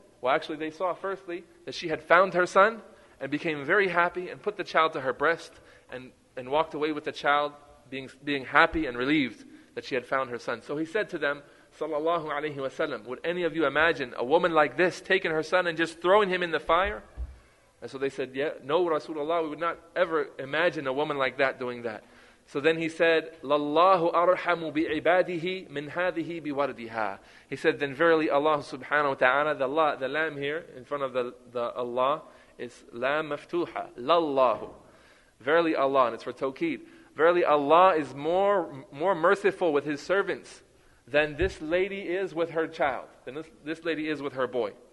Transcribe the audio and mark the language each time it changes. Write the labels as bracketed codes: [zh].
[en] Well, actually they saw firstly that she had found her son and became very happy and put the child to her breast and walked away with the child being happy and relieved that she had found her son. So he said to them, sallallahu alayhi wa sallam, would any of you imagine a woman like this taking her son and just throwing him in the fire? And so they said, yeah, no, Rasulullah, we would not ever imagine a woman like that doing that. So then he said, [ar] لَاللَّهُ أَرْحَمُ بِعِبَادِهِ مِنْ هَذِهِ بِوَرْدِهَا. [en] He said, then verily Allah subhanahu wa ta'ala, the lam here in front of the Allah is lam maftuha, لَاللَّهُ. Verily Allah, and it's for tawkeed. Verily Allah is more merciful with His servants than this lady is with her child, than this lady is with her boy.